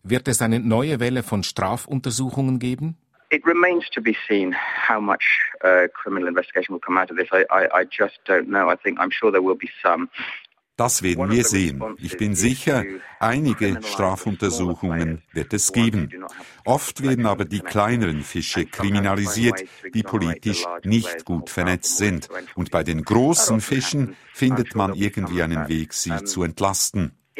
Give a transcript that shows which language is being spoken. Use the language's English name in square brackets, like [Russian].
[German] Wird es eine neue Welle von Strafuntersuchungen geben? [English] It remains to be seen how much criminal investigation will come out of this. I just don't know. I think I'm sure there will be some. [German] Das werden wir sehen. Ich bin sicher, einige Strafuntersuchungen wird es geben. Oft werden aber die kleineren Fische kriminalisiert, die politisch nicht gut vernetzt sind. Und bei den großen Fischen findet man irgendwie einen Weg, sie zu entlasten.